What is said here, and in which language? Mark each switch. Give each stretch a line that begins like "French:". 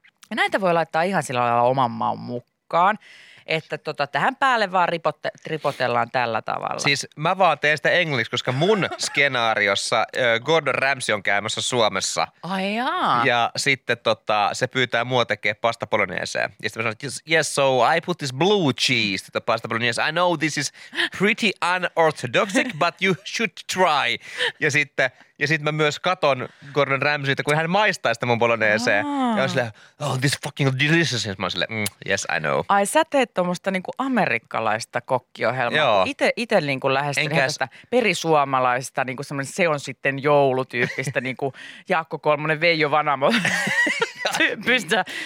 Finnish: Ja näitä voi laittaa ihan sillä lailla oman maun mukaan, että tähän päälle vaan ripotellaan tällä tavalla. Siis mä vaan teen sitä englanniksi, koska mun skenaariossa Gordon Ramsay on käymässä Suomessa. Ai jaa. Ja sitten se pyytää mua tekemään pasta bolognesea. Ja sitten mä sanon,
English: yes, so I put this blue cheese to the pasta bolognese. I know this is pretty unorthodox, but you should try.
Finnish: Ja sitten mä myös katon Gordon Ramsaytä, kun hän maistaa sitä mun bolognesea. Ja on silleen,
English: oh, this fucking delicious.
Finnish: Ja mä oon silleen,
English: yes, I know.
Finnish: Ai sä teet tuommoista niinku amerikkalaista kokkiohjelmaa. Joo. Ite niinku lähestyneet tästä perisuomalaista, niinku semmoinen se on sitten joulutyyppistä, niinku Jaakko Kolmonen, Veijo Vanamo tyyppistä.